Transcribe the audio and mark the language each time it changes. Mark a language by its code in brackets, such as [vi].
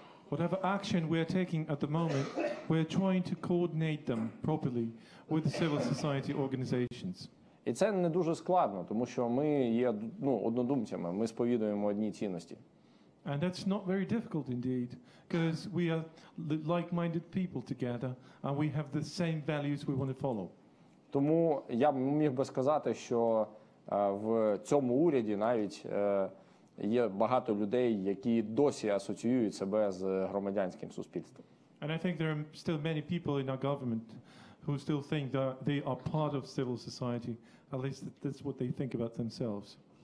[en] Whatever action we are taking at the moment, we are trying to coordinate them properly with the civil society organizations. [uk] І це не дуже складно, тому що ми є, ну, однодумцями, ми сповідуємо одні цінності. [en] And that's not very difficult indeed, because we are like-minded people together, and we have the same values we want to follow. [uk] Тому я міг би сказати, що в цьому уряді навіть є багато людей, які досі асоціюють себе з громадянським суспільством. [en] And I think there are still many people in our government who still think that they are part of civil society, at least that's what they think about themselves.